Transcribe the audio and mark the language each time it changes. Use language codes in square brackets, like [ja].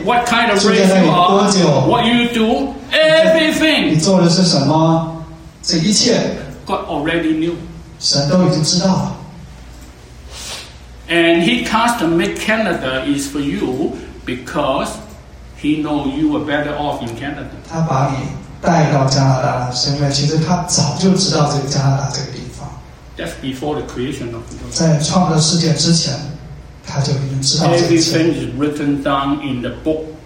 [en] what kind of race you are, what you do, everything. [zh] 你做的是什么?这一切, [en] God already knew. [zh] 神都已经知道了。 [en] And he custom make Canada is for you because he know you are better off in Canada. [zh] 他把你带到加拿大了，是因为其实他早就知道这个加拿大这个地方。 [en] That's before the creation of the world. [zh] 在创造世界之前, 他就已经知道这一切。 [en] Everything is written down in the book.